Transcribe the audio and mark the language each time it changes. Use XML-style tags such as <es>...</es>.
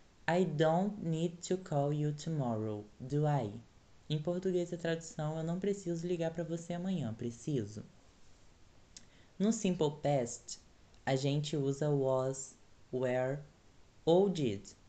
<en>I don't need to call you tomorrow, do I?</en> <pt>Em português, a tradução, eu não preciso ligar para você amanhã, preciso. No Simple Past, a gente usa was, were ou did.</pt>